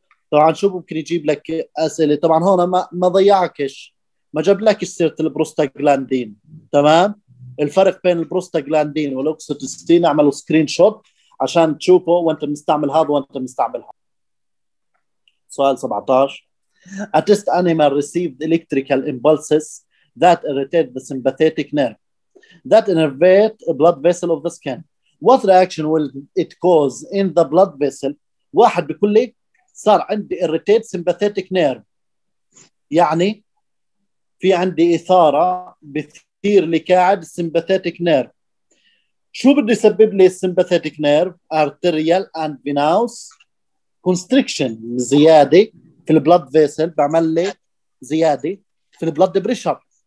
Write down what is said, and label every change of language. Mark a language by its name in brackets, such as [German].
[Arabic] طبعا شو ممكن يجيب لك اسئله؟ طبعا هون ما ضيعكش، ما جاب لك سيره البروستاجلاندين، تمام، الفرق بين البروستاجلاندين والاوكسيتوسين. اعملوا سكرين شوت عشان تشوفوا وانت مستعمل هذا وانت مستعمل هذا. سؤال 17. [English] A test animal received electrical impulses that irritate the sympathetic nerve that innervate a blood vessel of the skin. What reaction will it cause in the blood vessel? [Arabic] واحد بيقول لي صار عندي [English] irritate sympathetic nerve، [Arabic] يعني في عندي إثارة بثير لكاعد sympathetic nerve. شو بدي يسبب لي sympathetic nerve؟ [English] arterial and venous constriction، [Arabic] زيادة في البلد فيسل، بعمل لي زيادة في البلد بريشر.